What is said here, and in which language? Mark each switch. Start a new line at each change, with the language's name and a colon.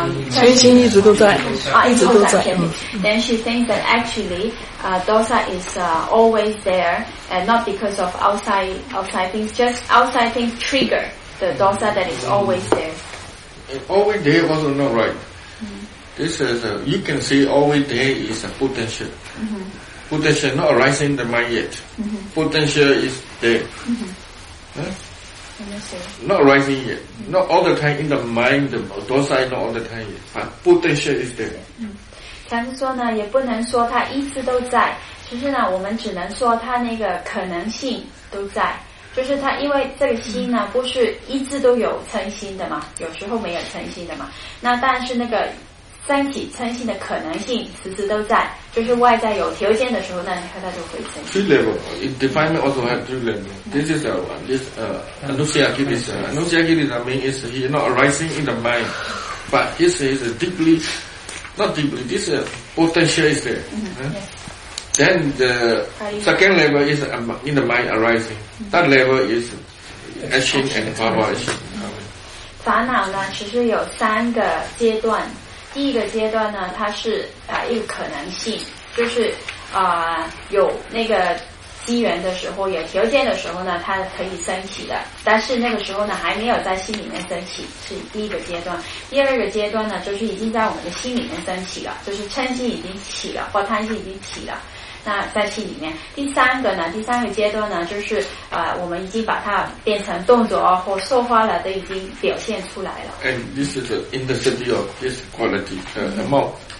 Chinese: 全心一直都在，一直都在。
English: Then she thinks that actually, dosa is always there, and not because of outside things, just outside things trigger the dosa that is always there. Always there also not right. This is you can see always there is a potential. Potential not arising in the mind yet. Potential is there. Not rising yet. Not all the time in the mind, the dosa not all the time yet. But potential is there.
Chinese: 禅师说呢，也不能说它一直都在，其实呢，我们只能说它那个可能性都在。就是它，因为这个心呢，不是一直都有嗔心的嘛，有时候没有嗔心的嘛。那但是那个升起嗔心的可能性，时时都在。就是外在有条件的时候，那你看它就会嗔心。
English: Three level, in defilement also have three level. This is anusyakiti, mean is he not arising in the mind, but this is deeply, not deeply. This potential is there. Then the second level is in the mind arising. That level is action and bhava action.
Chinese: 烦恼呢，其实有三个阶段。第一个阶段呢，它是一个可能性，就是有那个机缘的时候，有条件的时候呢，它可以升起的。但是那个时候呢，还没有在心里面升起，是第一个阶段。第二个阶段呢，就是已经在我们的心里面升起了，就是嗔心已经起了，或贪心已经起了。那在心里面，第三个呢？第三个阶段呢，就是我们已经把它变成动作或说话了，都已经表现出来了。
English: And this is the intensity of this quality, amount.